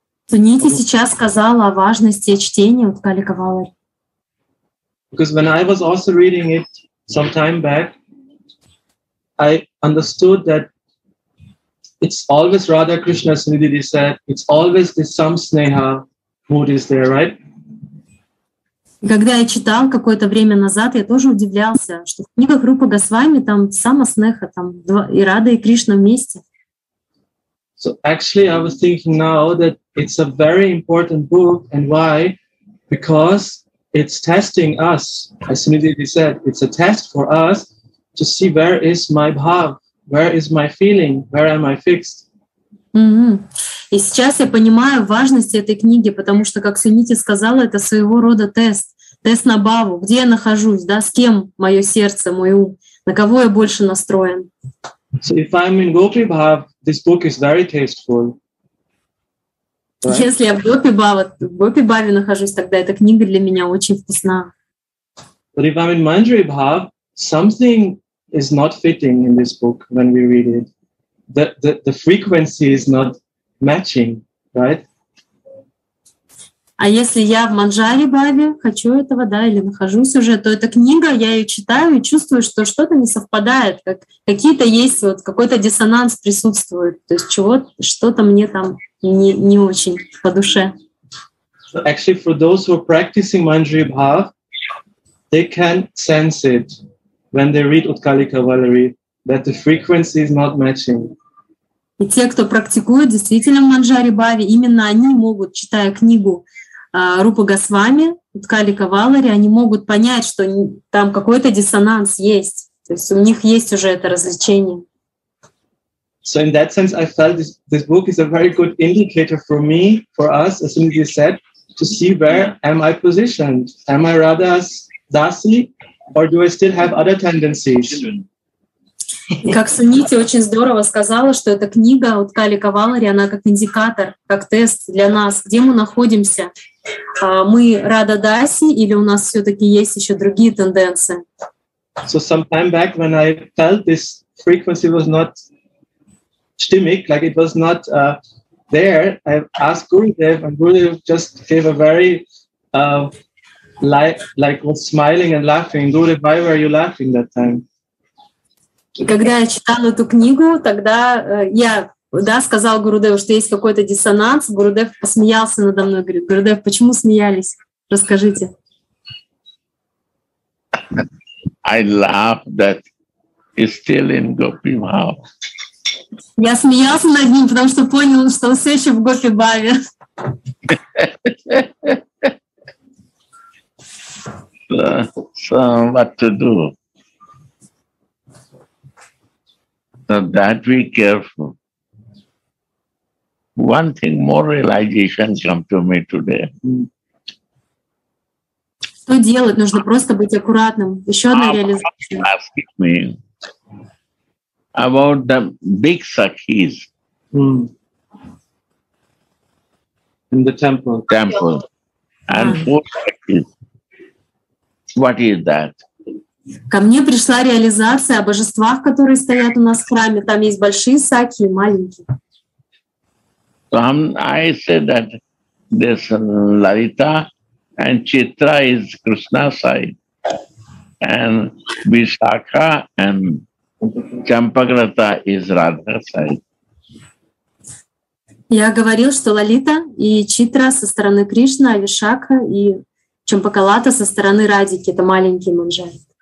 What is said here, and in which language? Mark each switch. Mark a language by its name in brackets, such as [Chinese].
[Russian] Сунити сейчас сказала о важности чтения Уткали Кавалари. [English] Because when I was also reading it some time back, I understood that it's always Radha Krishna, Sunidhi said, it's always this samsneha mood is there, right? [Russian] Когда я читал какое-то время назад, я тоже удивлялся, что в книгах Рупа Госвами там самаснеха, там и Рада, и Кришна вместе. [English] So actually, I was thinking now that it's a very important book, and why? Because it's testing us, as Sunidhi said, it's a test for us to see where is my bhav, where is my feeling, where am I fixed. Mm-hmm. [Russian] И сейчас я понимаю важность этой книги, потому что, как Сунити сказала, это своего рода тест. Тест на Бхаву. Где я нахожусь, да? С кем мое сердце, мой ум? На кого я больше настроен? [English] So if I'm in Gopi Bhav, this book is very tasteful. Right? [Russian] Если я в Гопи Бхаве нахожусь, тогда эта книга для меня очень вкусна. [English] But if I'm in Manjari Bhav, something is not fitting in this book when we read it. The frequency is not matching, right? [Russian] А если я в Манджари Бхаве, хочу этого, да, или нахожусь уже, то эта книга, я ее читаю и чувствую, что что-то не совпадает, как какие-то есть, вот какой-то диссонанс присутствует, то есть чего, что-то мне там не очень по душе. [English] Actually, for those who are practicing Manjari Bhav, they can sense it when they read Utkalika Valeri, that the frequency is not matching. [Russian] И те, кто практикует действительно Манджари Бхаве, именно они могут, читая книгу Рупа Госвами, Уткалика Валари, они могут понять, что там какой-то диссонанс есть. То есть у них есть уже это развлечение. [English] So in that sense, I felt this book is a very good indicator for me, for us, as soon as you said, to see where am I positioned? Am I Radha's Dasi, or do I still have other tendencies? [Russian] Как Сунити очень здорово сказала, что эта книга Уткалика Валари, она как индикатор, как тест для нас, где мы находимся. Мы Рада Даси или у нас все-таки есть еще другие тенденции? [English] So some time back when I felt this frequency was not stimmig, like it was not there, I asked Gurudev, and Gurudev just gave a very like was smiling and laughing. Gurudev, why were you laughing that time? [Russian] И когда я читала эту книгу, тогда я, да, сказал Гурудеву, что есть какой-то диссонанс. Гурудев посмеялся надо мной. Говорит, Гурудев, почему смеялись? Расскажите. [English] I laugh that he's still in Gopi Bhav. [Russian] Я смеялся над ним, потому что понял, что он все еще в Гопи Бхаве. [English] So what to do? So that be careful. One thing more realization come to me today. [Russian] Что делать? Нужно просто быть аккуратным. Еще одна реализация. [English] Asking me about the big sakhis. In the temple. Temple. And four sakhis. What is that? [Russian] Ко мне пришла реализация о божествах, которые стоят у нас в храме. Там есть большие сакхи и маленькие. [English] I said that this Lalita and Chitra is Krishna side, and Vishakha and Champakrata is Radha side. [Russian] Я говорил, что Лалита и Читра со стороны Кришны, а Вишакха и Чампакалата со стороны Радики — это маленькие манджари.